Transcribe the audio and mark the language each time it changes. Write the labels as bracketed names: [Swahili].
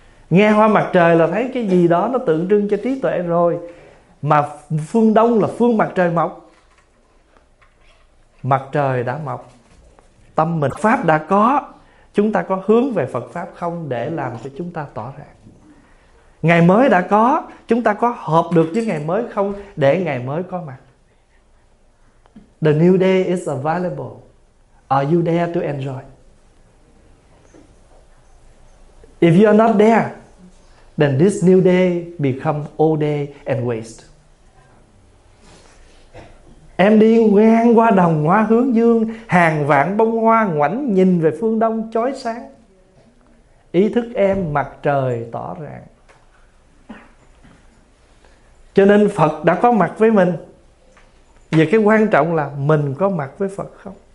[Vietnamese] Nghe hoa mặt trời là thấy cái gì đó nó tượng trưng cho trí tuệ rồi, mà phương đông là phương mặt trời mọc. Mặt trời đã mọc, tâm mình pháp đã có, chúng ta có hướng về Phật pháp không để làm cho chúng ta tỏ rạng? Ngày mới đã có, chúng ta có hợp được với ngày mới không để ngày mới có mặt? [English] The new day is available. Are you there to enjoy? If you are not there, then this new day become old day and waste. [Vietnamese] Em đi ngang qua đồng hoa hướng dương, hàng vạn bông hoa ngoảnh nhìn về phương đông chói sáng. Ý thức em mặt trời tỏ rạng. Cho nên Phật đã có mặt với mình. Và cái quan trọng là mình có mặt với Phật không?